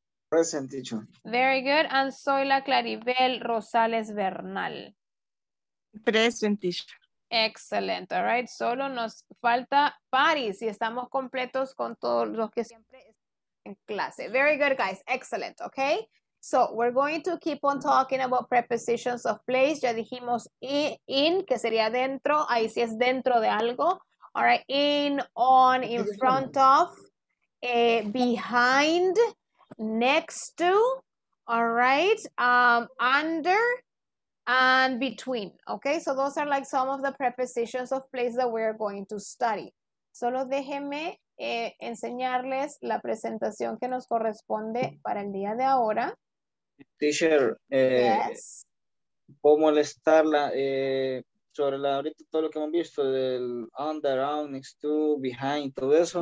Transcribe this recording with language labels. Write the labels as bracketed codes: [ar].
[en] Present, teacher. Very good. And Zoila Claribel Rosales Bernal. Present, teacher. Excellent. All right. [es] Solo nos falta Paris y estamos completos con todos los que siempre están en clase. [en] Very good, guys. Excellent. Okay. So we're going to keep on talking about prepositions of place. [es] Ya dijimos in, que sería dentro. Ahí sí es dentro de algo. [en] All right. In, on, in front of, behind, next to, all right, under, and between. Okay, so those are like some of the prepositions of place that we are going to study. [es] Solo déjenme enseñarles la presentación que nos corresponde para el día de ahora. [en] Teacher, yes. [es] ¿Puedo molestarla sobre la ahorita todo lo que hemos visto del under, around, next to, behind, todo eso?